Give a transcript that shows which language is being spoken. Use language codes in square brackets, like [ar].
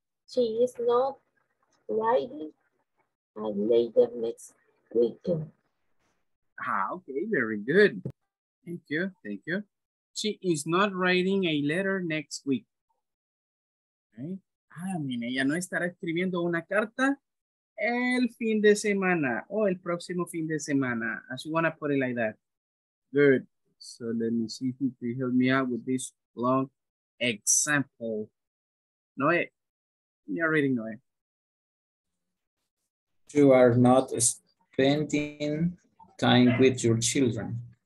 [en] She is not writing and later next weekend. Ah, okay, very good. Thank you, thank you. She is not writing a letter next week. Okay. [es] Ah, mira, ella no estará escribiendo una carta el fin de semana o el próximo fin de semana. [en] As you wanna put it like that. Good. So let me see if you can help me out with this long example. Noe, you're reading, Noe. You are not spending time with your children.